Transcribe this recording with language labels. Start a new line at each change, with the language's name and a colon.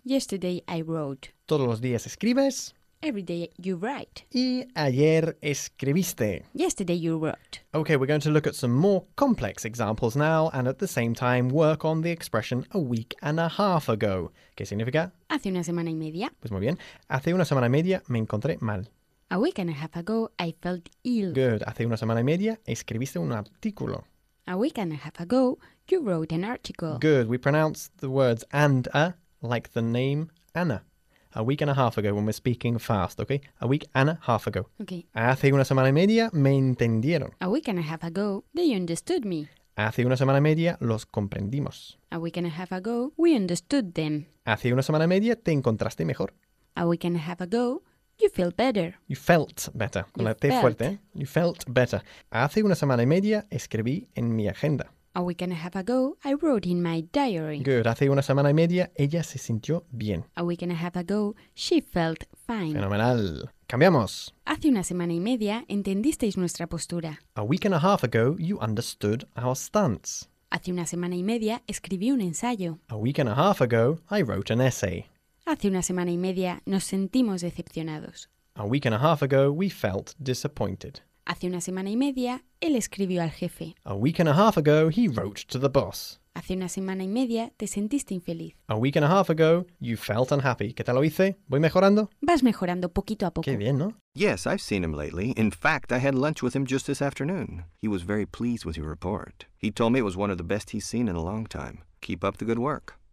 English: Yesterday I wrote.
Spanish: Todos los días escribes.
English: Every day you write.
Spanish: Y ayer escribiste.
English: Yesterday you wrote. Okay, we're going to look at some more complex examples now and at the same time work on the expression a week and a half ago.
Spanish: ¿Qué significa? Hace una semana y media. Pues muy bien. Hace una semana y media me encontré mal.
English: A week and a half ago I felt ill. Good.
Spanish: Hace una semana y media escribiste un artículo.
English: A week and a half ago you wrote an article. Good. We pronounce the words and a like the name Anna. A week and a half ago, when we're speaking fast, okay? A week and a half ago. Okay.
Spanish: Hace una semana y media me entendieron.
English: A week and a half ago, they understood me.
Spanish: Hace una semana y media los comprendimos.
English: A week and a half ago, we understood them.
Spanish: Hace una semana y media te encontraste mejor.
English: A week and a half ago, you felt better. You felt better.
Spanish: Con la T fuerte, ¿eh?
English: You felt better.
Spanish: Hace una semana y media escribí en mi agenda.
English: A week and a half ago, I wrote in my diary. Good.
Spanish: Hace una semana y media, ella se sintió bien.
English: A week and a half ago, she felt fine.
Spanish: Fenomenal. Cambiamos. Hace una semana y media, entendisteis nuestra postura.
English: A week and a half ago, you understood our stance.
Spanish: Hace una semana y media, escribí un ensayo.
English: A week and a half ago, I wrote an essay.
Spanish: Hace una semana y media, nos sentimos decepcionados.
English: A week and a half ago, we felt disappointed.
Spanish: Hace una semana y media, él escribió al jefe.
English: A week and a half ago, he wrote to the boss.
Spanish: Hace una semana y media te sentiste infeliz.
English: A week and a half ago, you felt unhappy.
Spanish: ¿Qué tal lo hice? ¿Voy mejorando? Vas mejorando poquito a poco. Qué bien, ¿no?
English: Yes, I've seen him lately. In fact, I had lunch with him just this afternoon. He was very pleased with your report. He told me it was one of the best he's seen in a long time. Keep up the good work.